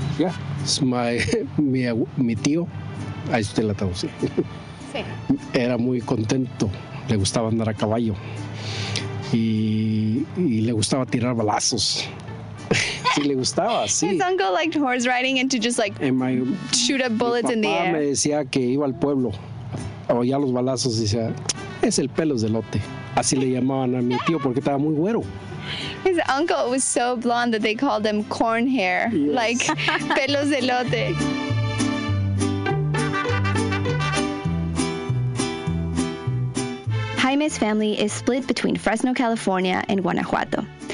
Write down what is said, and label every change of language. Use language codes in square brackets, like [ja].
[en] Yeah. It's my tío. [es] Ahí usted la traducí. Sí. Era muy contento. Le gustaba andar a caballo. Y le gustaba tirar balazos. Sí, le gustaba, sí. [en] His uncle liked horse riding and to just like shoot up bullets in the air. [es] Mi papá me decía que iba al pueblo. Oía los balazos y decía, es el pelo de elote. Así le llamaban a mi tío porque estaba muy güero. [en] His uncle was so blonde that they called him corn hair. Yes. Like [es] pelos de elote. [en] Jaime's family is split between Fresno, California, and Guanajuato.